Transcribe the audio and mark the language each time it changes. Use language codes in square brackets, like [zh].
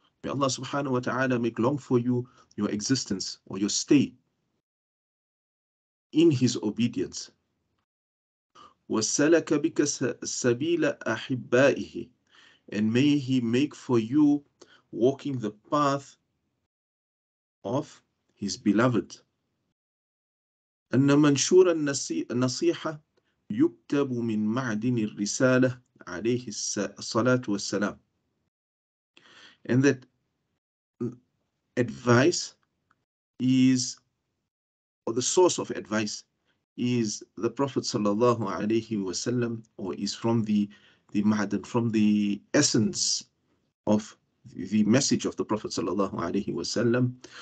[en] May Allah subhanahu wa ta'ala make long for you your existence or your stay in His obedience. [ar] وسلك بك سبيل أحبائه. [en] And may He make for you walking the path of His beloved. [ar] أن منشور النصيحة يكتب من معدن الرسالة عليه الصلاة والسلام. [en] And that advice is, or the source of advice is the Prophet sallallahu alayhi wasallam, or is from the ma'dan, from the essence of the message of the Prophet sallallahu alayhi wasallam.